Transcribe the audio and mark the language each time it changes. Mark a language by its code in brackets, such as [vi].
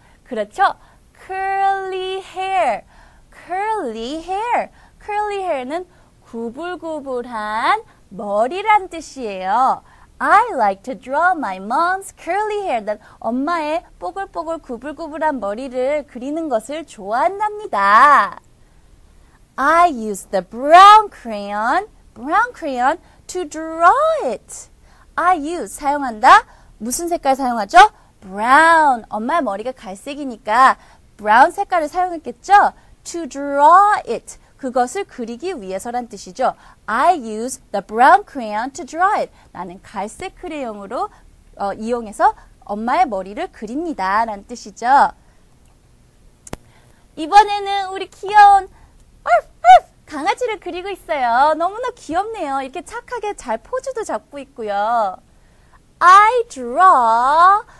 [ko] 그렇죠? [en] curly hair. curly hair. [ko] curly hair는 구불구불한 머리란 뜻이에요. [en] I like to draw my mom's curly hair. [ko] 난 엄마의 뽀글뽀글 구불구불한 머리를 그리는 것을 좋아한답니다. [en] I use the brown crayon to draw it. I use [ko] 사용한다. 무슨 색깔 사용하죠? brown. 엄마의 머리가 갈색이니까 brown 색깔을 사용했겠죠? [en] to draw it. [ko] 그것을 그리기 위해서란 뜻이죠. [en] I use the brown crayon to draw it. [ko] 나는 갈색 크레용으로 이용해서 엄마의 머리를 그립니다라는 뜻이죠. 이번에는 우리 귀여운 강아지를 그리고 있어요. 너무나 귀엽네요. 이렇게 착하게 잘 포즈도 잡고 있고요. [en] I draw